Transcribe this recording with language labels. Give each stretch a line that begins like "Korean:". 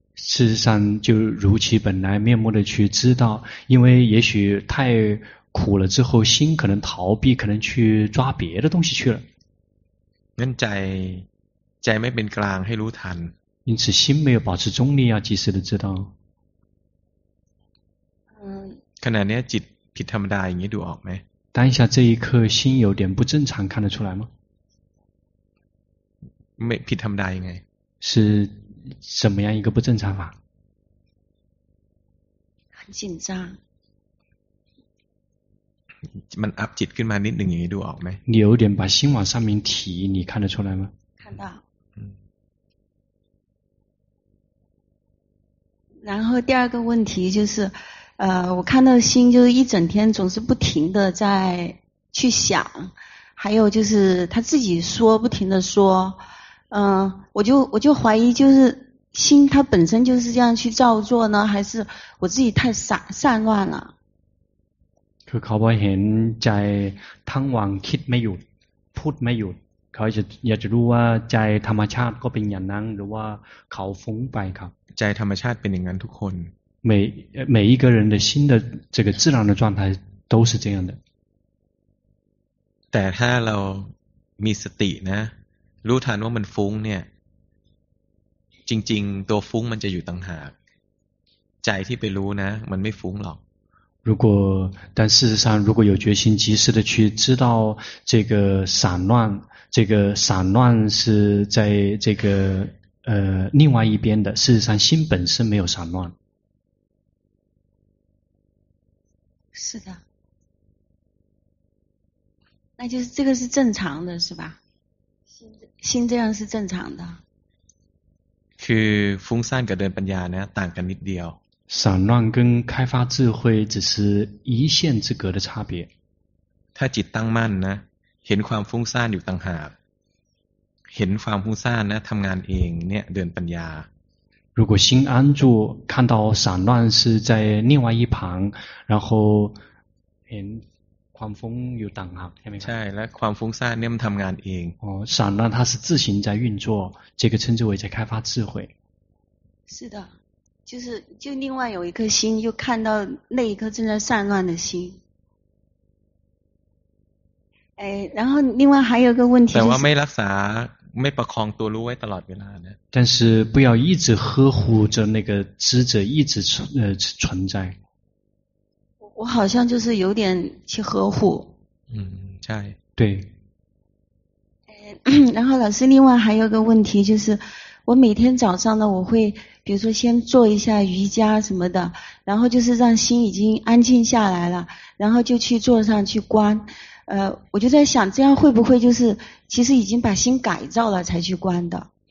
Chinese: 事实上就如其本来面目的去知道因为也许太苦了之后心可能逃避可能去抓别的东西去了
Thai: 那ใจไม่เป็นกลางให้รู้ทัน
Chinese: 因此心没有保持中立要及时的知道
Thai: ขณะนี้จิตผิดธรรมดาอย่างนี้ดูออกไหม
Chinese: 当下这一刻心有点不正常看得出来吗
Thai: ไม่ผิดธรรมดายังไง
Chinese: 是什么样一个不正常法？很紧张。
Thai: มัน up จิต ขึ้นมานิดนึง อย่างนี้ดูออกไหม？
Chinese: 你有点把心往上面提，你看得出来吗？看到。嗯。然后第二个问题就是，我看到心就是一整天总是不停的在去想，还有就是他自己说不停的说。我就怀疑就是心它本身就是这样去造作呢还是我自己太散乱了
Thai: คือเขาบอกเห็นใจทั้งวันคิดไม่หยุดพูดไม่หยุดเขาจะอยากจะรู้ว่าใจธรรมชาติก็เป็นอย่างนั้นหรือว่าเขาฟุ้งไปครับ ใจธรรมชาติเป็นอย่างนั้นทุกคน
Chinese: 每一个人的心的这个自然的状态都是这样的
Thai: แต่ถ้าเรามีสตินะรู้ทันว่ามันฟุ้งเนี่ยจริงๆตัวฟุ้งมันจะอยู่ต่างหากใจที่ไปรู้นะมันไม่ฟุ้งหรอก
Chinese: 如果但事实上如果有决心及时的去知道这个散乱这个散乱是在这个另外一边的事实上心本身没有散乱是的那就是这个是正常的是吧心这样是正常的
Thai: คือฟุ้งซ่านกับเดินปัญญาเนี่ยต่างกันนิดเดียว
Chinese: 散乱跟开发智慧只是一线之隔的差别
Thai: ถ้าจิตตั้งมั่นนะเห็นความฟุ้งซ่านอยู่ต่างหากเห็นความฟุ้งซ่านนะทำงานเองเนี่ยเดินปัญญา
Chinese: 如果心安住看到散乱是在另外一旁然后
Thai: เห็น ความฟุ้งอยู่ต่างหากใช่ไหม ใช่และความฟุ้งซ่านเนี่ยมันทำงานเอง
Chinese: อ๋อ散乱它是自行在运作这个称之为在开发智慧是的就是就另外有一颗心又看到那一颗正在散乱的心哎然后另外还有一个问题
Thai: แต่ว่าไม่รักษาไม่ประคองตัวรู้ไว้ตลอดเวลานะ
Chinese: 但是不要一直呵护着那个知者一直存在我好像就是有点去呵护嗯在对然后老师另外还有个问题就是我每天早上呢我会比如说先做一下瑜伽什么的然后就是让心已经安静下来了然后就去坐上去观我就在想这样会不会就是其实已经把心改造了才去观的